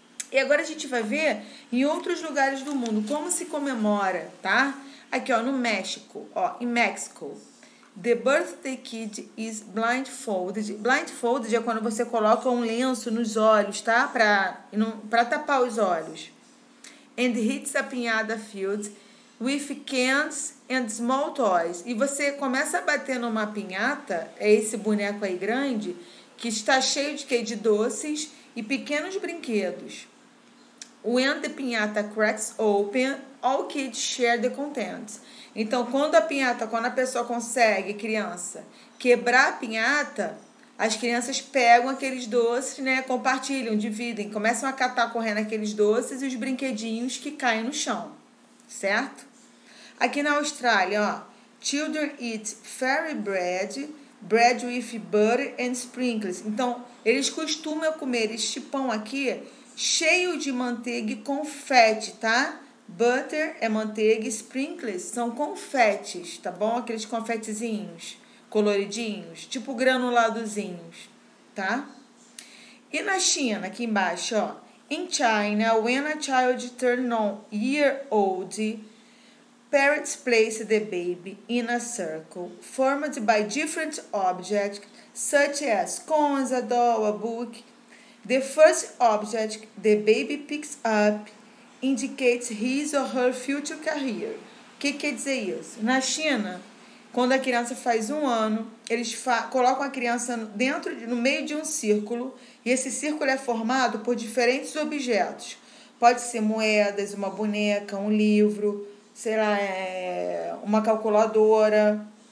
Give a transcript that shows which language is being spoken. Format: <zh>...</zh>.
<pt>E agora a gente vai ver em outros lugares do mundo como se comemora, tá? Aqui, ó, no México, ó, em México.</pt> <en>The birthday kid is blindfolded.</en> <pt>Blindfolded é quando você coloca um lenço nos olhos, tá? Pra tapar os olhos.</pt> <en>And hits a piñata field with cans and small toys.</en> <pt>E você começa a bater numa pinhata, é esse boneco aí grande, que está cheio de quê? De doces e pequenos brinquedos. When the piñata cracks open, all kids share the contents. Então, quando a pessoa consegue, criança, quebrar a pinhata, as crianças pegam aqueles doces, né? Compartilham, dividem, começam a catar correndo aqueles doces e os brinquedinhos que caem no chão, certo? Aqui na Austrália, ó,</pt> <en>children eat fairy bread, bread with butter and sprinkles.</en> <pt>Então, eles costumam comer este pão aqui cheio de manteiga e confete, tá? Butter é manteiga, sprinkles são confetes, tá bom? Aqueles confetezinhos coloridinhos, tipo granuladozinhos, tá? E na China, aqui embaixo, ó.</pt> <en>In China, when a child turns 1 year old, parents place the baby in a circle formed by different objects, such as cones, a doll, a book. The first object the baby picks up indicates his or her future career.</en> <pt>O que quer dizer isso? Na China, quando a criança faz 1 ano, eles colocam a criança no meio de um círculo, e esse círculo é formado por diferentes objetos. Pode ser moedas, uma boneca, um livro, sei lá, uma calculadora.</pt>